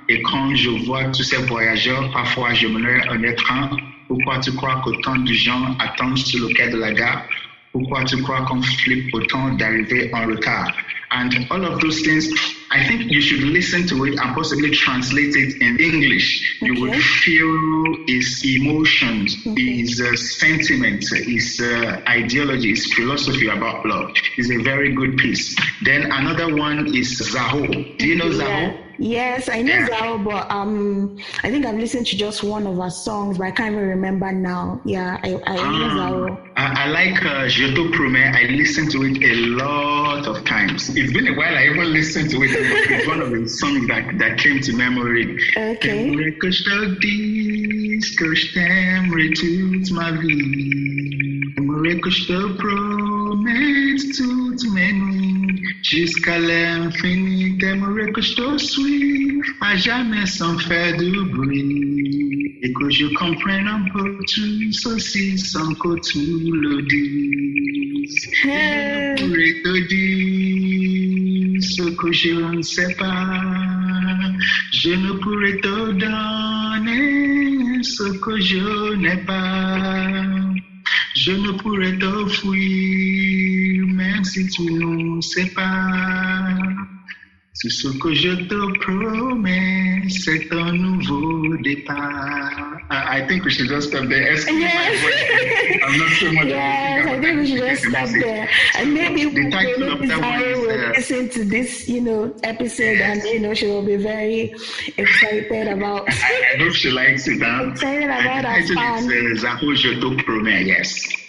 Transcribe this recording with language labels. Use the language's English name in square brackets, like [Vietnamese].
[French] Et quand je vois tous ces voyageurs, parfois je me lève en train. Pourquoi tu crois qu'autant de gens attendent sur le quai de la gare? Pourquoi tu crois qu'on flippe autant d'arriver en retard? [English] And all of those things, I think you should listen to it and possibly translate it in English. Okay. You would feel his emotions, his sentiments, his ideology, his philosophy about love. It's a very good piece. Then another one is Zaho. Do you know Zaho? Yeah. Yes, I know Zaho, but I think I've listened to just one of her songs, but I can't even remember now. Yeah, I know Zaho. I like Je te promets. I listened to it a lot of times. It's been a while I even listened to it. It's one of the songs that came to memory. Okay. [French] Que je te dis, que je t'aimerai toute ma vie. Que je te promets toute ma vie. Jusqu'à l'infini, t'aimerais que je te suive, à jamais sans faire de bruit, et que je comprenne un peu tout ceci sans que tu le dises. T'aimerais te dire ce que je ne sais pas, je ne pourrais te donner ce que je n'ai pas, je ne pourrais te fuir. Si tu ne sais pas, ce que je te promets, c'est un nouveau départ. [English] I think we should just stop there. Excuse my voice. I'm not sure much. Yes, I think we should just stop there. And maybe listen to this, you know, episode, and you know, she will be very excited about. I hope she likes it. Excited about our fun. [French] Zaho, je te promets. Yes.